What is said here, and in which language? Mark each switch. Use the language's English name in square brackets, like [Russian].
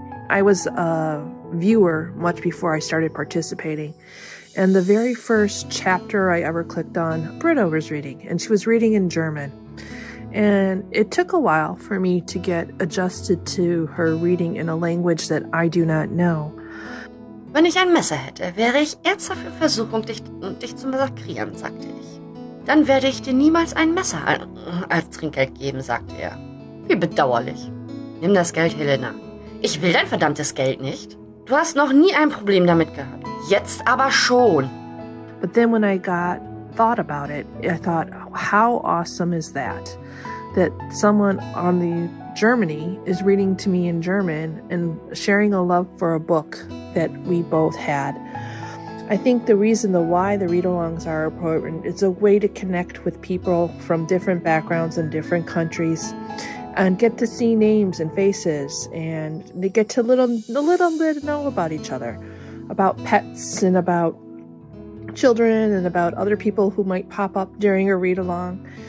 [English] I was a viewer much before I started participating. And the very first chapter I ever clicked on, Britta was reading, and she was reading in German. And it took a while for me to get adjusted to her reading in a language that I do not know. [German] Wenn ich ein Messer hätte, wäre ich ernsthaft in Versuchung, dich zu massakrieren, sagte ich. Dann werde ich dir niemals ein Messer als Trinkgeld geben, sagte er. Wie bedauerlich. Nimm das Geld, Helena. Ich will dein verdammtes Geld nicht. Du hast noch nie ein Problem damit gehabt. Jetzt aber schon. [English] But then when I got thought about it, I thought, how awesome is that? That someone on the Germany is reading to me in German and sharing a love for a book that we both had. I think the reason why the read-alongs are important is a way to connect with people from different backgrounds and different countries and get to see names and faces and they get to a little bit know about each other, about pets and about children and about other people who might pop up during a read-along.